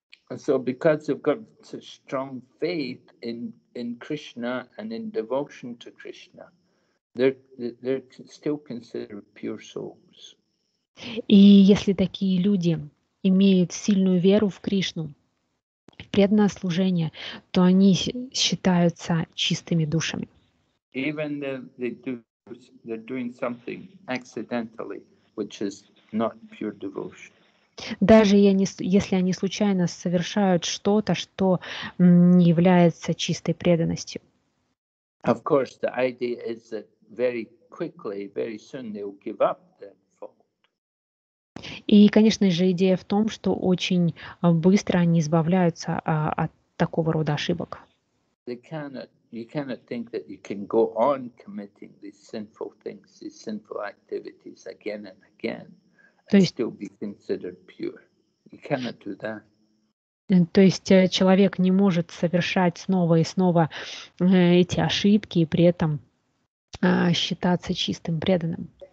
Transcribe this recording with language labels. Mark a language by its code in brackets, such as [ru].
[en] So because you've got such strong faith in Krishna and in devotion to Krishna, they're still considered pure souls. [ru] И если такие люди имеют сильную веру в Кришну, в преданное служение, то они считаются чистыми душами. [en] Even they're doing something accidentally, which is not pure devotion. [ru] Даже я не, если они случайно совершают что-то, что не является чистой преданностью. [en] Of course, the idea is that very quickly, very soon they will give up their fault. [ru] И, конечно же, идея в том, что очень быстро они избавляются от такого рода ошибок. [en] You cannot think that you can go on committing these sinful things, these sinful activities again and again. [ru] То есть, [en] still be considered pure. You cannot do that. [ru] То есть человек не может совершать снова и снова эти ошибки и при этом считаться чистым преданным.